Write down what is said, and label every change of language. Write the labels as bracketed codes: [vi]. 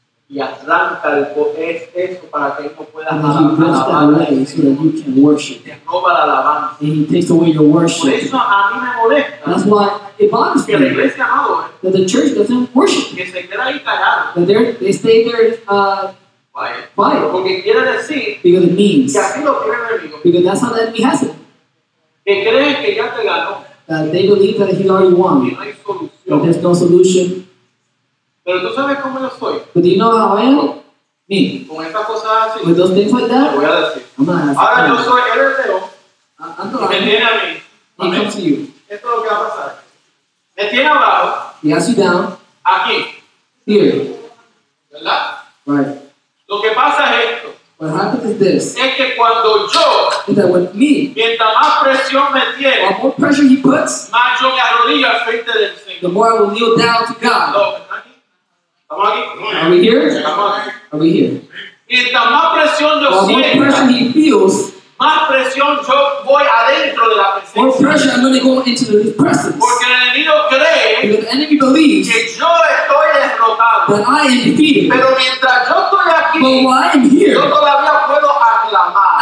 [es] Y arranca el es eso para que tú puedas [en] and alabar. And he brings that away so that you can worship. [es] Te roba la alabanza. [en] And he takes away your worship. [es] Por eso a mí me molesta. [en] That's why it bothers [es] que [en] me. [es] La iglesia ahora, [en] that the church doesn't worship. [es] Que se queda ahí callado. [en] That they stay there [es] quiet. Porque quiere decir. [en] Because it means. [es] Que así lo quiere el enemigo. [en] Because that's how the enemy has it. [es] Que cree que ya te ganó. [en] That they believe that he already won. [es] Que no hay solución. [en] That there's no solution. [es] Pero tú sabes cómo yo soy. [en] But do you know how I am? Me. [es] Con estas cosas así. [en] With those things like that? [es] Voy a decir. [en] I'm not [es] ahora yo soy el hereo. Me tiene a mí. [en] He comes to you. [es] Esto es lo que va a pasar. Me tiene abajo. [en] He has you down. [es] Aquí. [en] Here. [es] ¿Verdad? [en] Right. [es] Lo que pasa es esto. [en] What happens is this. [es] Es que cuando yo. [en] Is that with me. [es] Mientras más presión me tiene. [en] The more pressure he puts. [es] Más yo me arrodillo al frente del Señor. [en] The more I will kneel down to God. [es] No. [en] Are we here? Are we here? The more pressure he feels, [es] más presión yo voy adentro de la presencia. [en] More pressure I'm going to go into the presence. [es] Porque el enemigo cree, [en] because the enemy believes [es] que yo estoy derrotado. [en] That I am defeated. [es] Pero mientras yo estoy aquí, [en] but while I'm here, [es] yo todavía puedo aclamar.